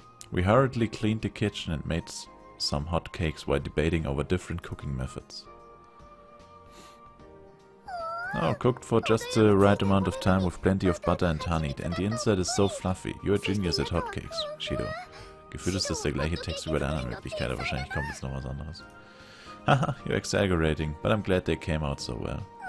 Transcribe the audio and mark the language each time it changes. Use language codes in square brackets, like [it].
[en] We hurriedly cleaned the kitchen and made some hot cakes while debating over different cooking methods. Oh, cooked for just the right amount of time with plenty of butter and honey, and the inside is so fluffy. You're a genius at hotcakes, Shido. [de] Gefühlt ist das der gleiche Text wie bei der anderen Möglichkeit, aber wahrscheinlich kommt jetzt noch was anderes. [en] Haha, you're exaggerating, but I'm glad they came out so well.